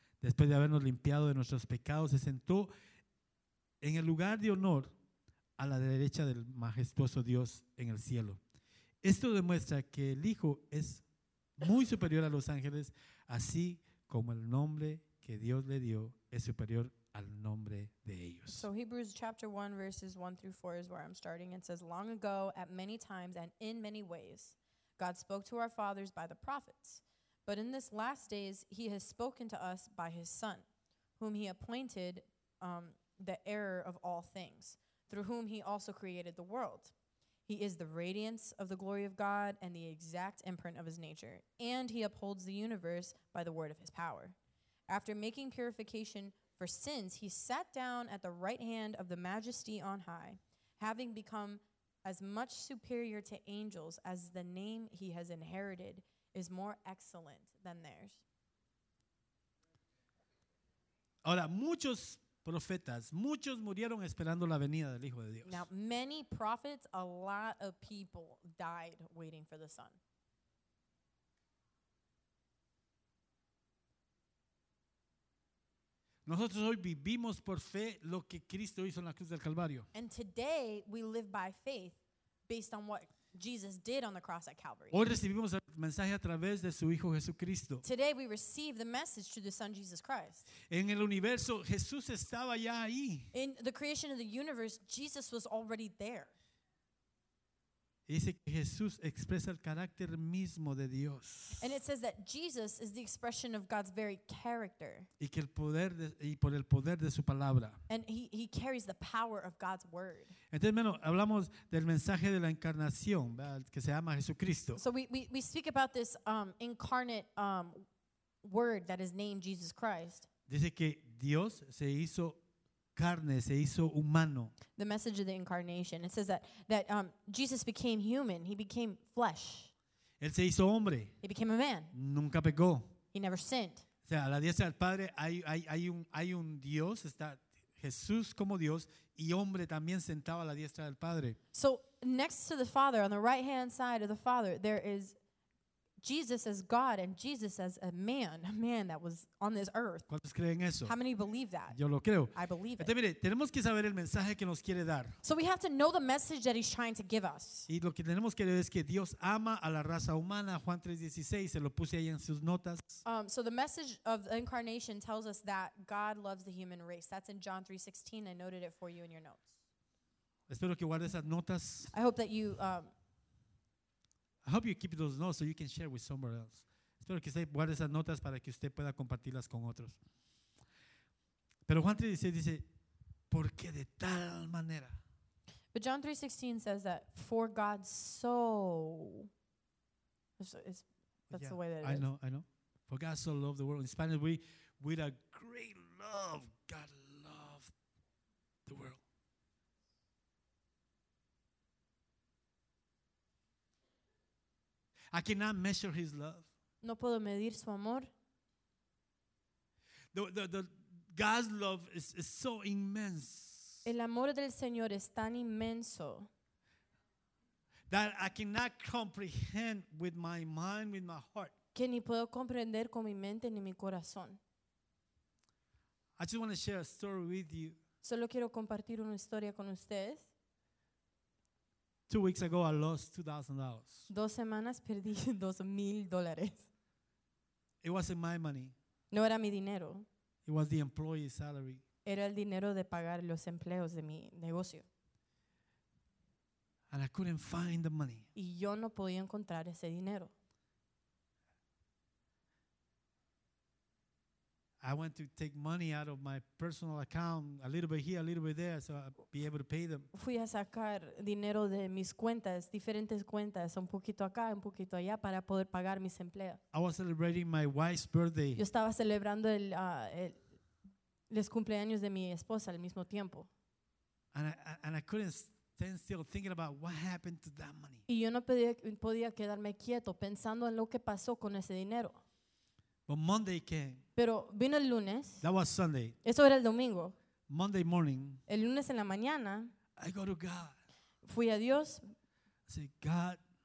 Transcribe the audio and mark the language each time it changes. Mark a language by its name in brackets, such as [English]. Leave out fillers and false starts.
[Spanish] Después de habernos limpiado de nuestros pecados, se sentó en el lugar de honor a la derecha del majestuoso Dios en el cielo. Esto demuestra que el Hijo es muy superior a los ángeles, así como el nombre que Dios le dio es superior al nombre de ellos. [English] So Hebrews chapter 1 verses 1 through 4 is where I'm starting. It says, long ago, at many times and in many ways, God spoke to our fathers by the prophets. But in this last days, he has spoken to us by his Son, whom he appointed the heir of all things, through whom he also created the world. He is the radiance of the glory of God and the exact imprint of his nature, and he upholds the universe by the word of his power. After making purification for sins, he sat down at the right hand of the majesty on high, having become as much superior to angels as the name he has inherited is more excellent than theirs. [Spanish] Ahora, muchos profetas, muchos murieron esperando la venida del Hijo de Dios. [English] Now, many prophets, a lot of people died waiting for the Son. [Spanish] Nosotros hoy vivimos por fe lo que Cristo hizo en la cruz del Calvario. [English] And today we live by faith based on what Jesus did on the cross at Calvary. [Spanish] Hoy recibimos el mensaje a través de su Hijo Jesucristo. [English] Today we receive the message through the Son Jesus Christ. [Spanish] En el universo Jesús estaba ya ahí. [English] In the creation of the universe, Jesus was already there. [Spanish] Dice que Jesús expresa el carácter mismo de Dios. [English] And it says that Jesus is the expression of God's very character. [Spanish] Y que el poder de, y por el poder de su palabra. [English] And he carries the power of God's word. [Spanish] Entonces, bueno, hablamos del mensaje de la encarnación, ¿verdad? Que se llama Jesucristo. [English] So we speak about this incarnate word that is named Jesus Christ. [Spanish] Dice que Dios se hizo carne, se hizo humano. [English] The message of the incarnation. It says that Jesus became human. He became flesh. [Spanish] Él se hizo hombre. [English] He became a man. [Spanish] Nunca pecó. [English] He never sinned. [Spanish] O sea, a la diestra del Padre hay un Dios, está Jesús como Dios y hombre también sentado a la diestra del Padre. [English] So next to the Father, on the right hand side of the Father, there is Jesus as God and Jesus as a man that was on this earth. [Spanish] ¿Cuántos creen eso? [English] How many believe that? [Spanish] Yo lo creo. [English] I believe it. [Spanish] Entonces, mire, tenemos que saber el mensaje que nos quiere dar. [English] So we have to know the message that he's trying to give us. [Spanish] Y lo que tenemos que leer es que Dios ama a la raza humana, Juan 3:16, se lo puse ahí en sus notas. [English] So the message of the incarnation tells us that God loves the human race. That's in John 3:16. I noted it for you in your notes. [Spanish] Espero que guardes esas notas. [English] I hope that you I hope you keep those notes so you can share with somebody else. [Spanish] Espero que usted guarde esas notas para que usted pueda compartirlas con otros. Pero Juan 3:16 dice, ¿por qué de tal manera? [English] But John 3:16 says that for God so. I know. For God so loved the world. In Spanish, we with a great love, God loved the world. I cannot measure his love. [Spanish] No puedo medir su amor. [English] The God's love is so immense. [Spanish] El amor del Señor es tan inmenso. [English] That I cannot comprehend with my mind, with my heart. [Spanish] Que ni puedo comprender con mi mente ni mi corazón. [English] I just want to share a story with you. [Spanish] Solo quiero compartir una historia con ustedes. [English] 2 weeks ago, I lost $2,000. [Spanish] Dos semanas perdí $2,000. [English] It wasn't my money. [Spanish] No era mi dinero. [English] It was the employee salary. [Spanish] Era el dinero de pagar los empleos de mi negocio. [English] And I couldn't find the money. [Spanish] Y yo no podía encontrar ese dinero. [English] I want to take money out of my personal account, a little bit here, a little bit there, so I'll be able to pay them. [Spanish] Fui a sacar dinero de mis cuentas, diferentes cuentas, un poquito acá, un poquito allá, para poder pagar mis empleos. [English] I was celebrating my wife's birthday. [Spanish] Yo estaba celebrando el los cumpleaños de mi esposa al mismo tiempo. [English] And I couldn't stand still thinking about what happened to that money. [Spanish] Y yo no podía quedarme quieto pensando en lo que pasó con ese dinero. [English] But Monday came. [Spanish] Pero vino el lunes. [English] That was Sunday. [Spanish] Eso era el domingo. [English] Monday morning. [Spanish] El lunes en la mañana. [English] I go to God. [Spanish] Fui a Dios. [English] I say, God.